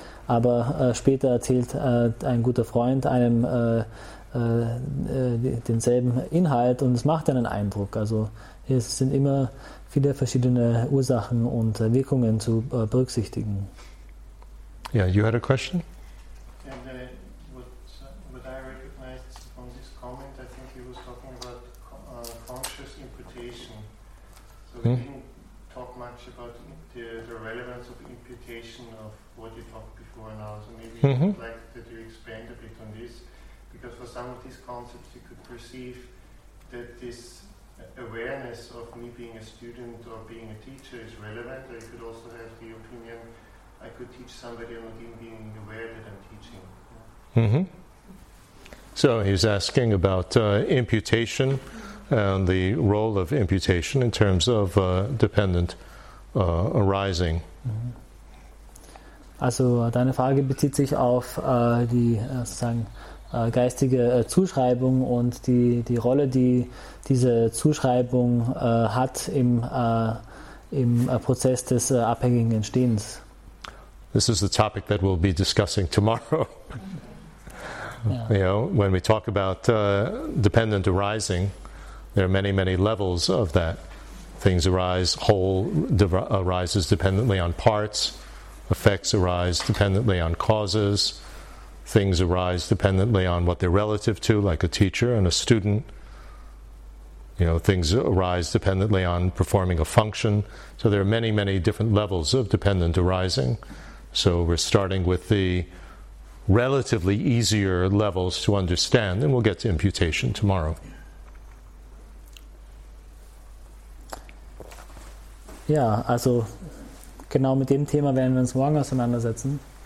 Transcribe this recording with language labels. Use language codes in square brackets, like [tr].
[de] Aber später erzählt ein guter Freund einem denselben Inhalt und es macht einen Eindruck. Also es sind immer viele verschiedene Ursachen und Wirkungen zu berücksichtigen. [en] Yeah, you had a question? And what I recognized from this comment, I think he was talking about conscious imputation. So we didn't talk much about the relevance of imputation of what you talked before now. So maybe you'd like that you expand a bit on this. Because for some of these concepts, you could perceive that this awareness of me being a student or being a teacher is relevant. Or you could also have the opinion, I could teach somebody not even being aware that I'm teaching. Yeah. Mm-hmm. So he's asking about imputation and the role of imputation in terms of dependent arising. Mm-hmm. [de] Also deine Frage bezieht sich auf die sozusagen geistige Zuschreibung und die Rolle, die diese Zuschreibung hat im Prozess des abhängigen Entstehens. [en] This is the topic that we'll be discussing tomorrow. Yeah. You know, when we talk about dependent arising, there are many, many levels of that. Things arise, whole arises dependently on parts, effects arise dependently on causes, things arise dependently on what they're relative to, like a teacher and a student. You know, things arise dependently on performing a function. So there are many, many different levels of dependent arising. So we're starting with the relatively easier levels to understand, and we'll get to imputation tomorrow. [de] Ja, also genau mit dem Thema werden wir uns morgen auseinandersetzen.